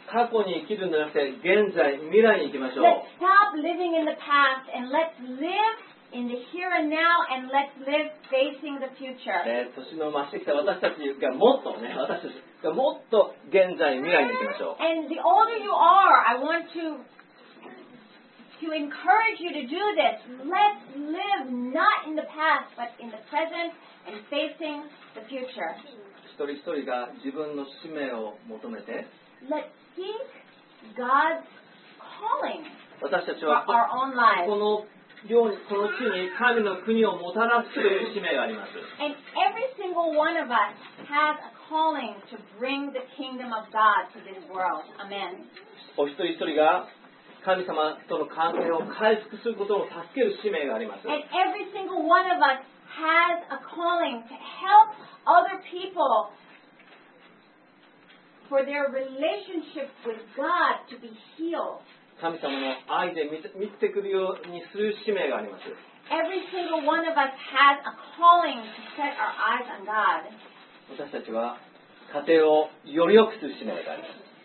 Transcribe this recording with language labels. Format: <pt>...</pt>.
<ja>過去に生きるんじゃなくて現在未来に行きましょう。</ja> <en>Let's stop living in the past and let's live in the here and now and let's live facing the future.</en> <ja>年の増してきた私たちがもっとね、私たちがもっと現在未来に行きましょう。</ja> <en>And the older you are, I want to encourage you to do this. Let's live not in the past, but in the present and facing the future.</en> <ja>一人一人が自分の使命を求めて。</ja> <en>Let's seek God's calling.</en> <ja>私たちは</ja> <en>for our own lives.</en> <ja>この地に神の国をもたらすという使命があります。</ja> <en>And every single one of us has a calling to bring the kingdom of God to this world. Amen.</en> <ja>お一人一人が神様との関係を回復することを助ける使命があります。</ja> <en>And every single one of us has a calling to help other people for their relationship with God to be healed.</en> <ja>神様の愛で満ちてくるようにする使命があります。</ja> <en>Every single one of us has a calling to set our eyes on God.</en> <ja>私たちは家庭をより良くする使命があります。</ja>